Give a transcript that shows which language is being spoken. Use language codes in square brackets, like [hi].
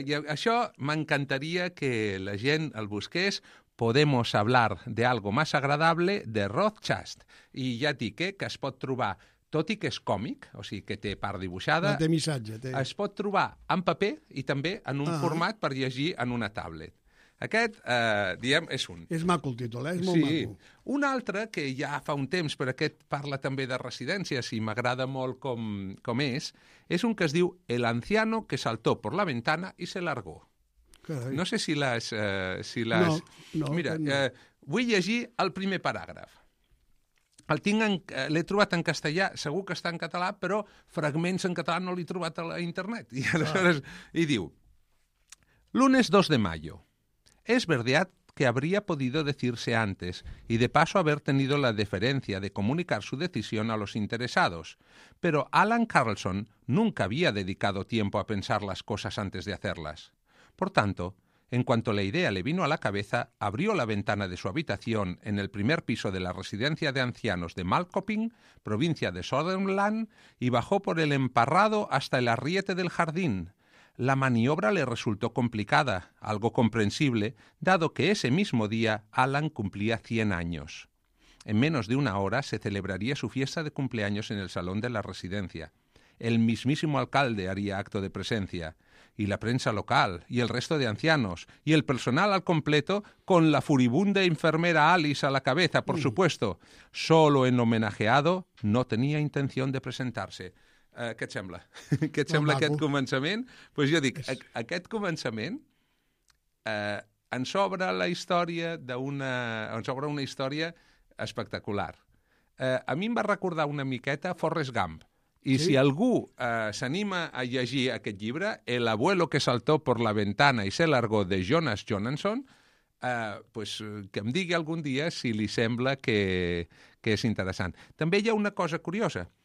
[ca] I això m'encantaria que la gent el busqués. [es] Podemos hablar de algo más agradable, de Rothschild. [ca] I ja et dic, que es pot trobar, tot i que és còmic, o sigui que té part dibuixada, no té missatge, té... es pot trobar en paper i també en un format per llegir en una tablet. Aquest, diem, és un. És maco el títol, és molt maco. Un altre, que ja fa un temps, però aquest parla també de residències i m'agrada molt com és un que es diu El anciano que saltó por la ventana y se largó. Carai. No sé si l'has... Si l'has... No. Mira, no. Vull llegir el primer paràgraf. L'he trobat en castellà, segur que està en català, però fragments en català no l'he trobat a la internet. I aleshores, i diu... [es] Lunes 2 de mayo. Es verdad que habría podido decirse antes y de paso haber tenido la deferencia de comunicar su decisión a los interesados. Pero Alan Carlson nunca había dedicado tiempo a pensar las cosas antes de hacerlas. Por tanto, en cuanto la idea le vino a la cabeza, abrió la ventana de su habitación en el primer piso de la residencia de ancianos de Malkoping, provincia de Södermanland, y bajó por el emparrado hasta el arriete del jardín. La maniobra le resultó complicada, algo comprensible, dado que ese mismo día Alan cumplía 100 años. En menos de una hora se celebraría su fiesta de cumpleaños en el salón de la residencia. El mismísimo alcalde haría acto de presencia, y la prensa local, y el resto de ancianos, y el personal al completo, con la furibunda enfermera Alice a la cabeza, por supuesto. Solo en homenajeado, no tenía intención de presentarse. [ca] Què et sembla? Què et sembla aquest començament? Pues jo dic, aquest començament ens obre la història una història espectacular. A mi em va recordar una miqueta Forrest Gump. I si algú s'anima a llegir aquest llibre, El abuelo que saltó por la ventana y se largó, de Jonas Jonasson, pues, que em digui algun dia si li sembla que és interessant. També hi ha una cosa curiosa.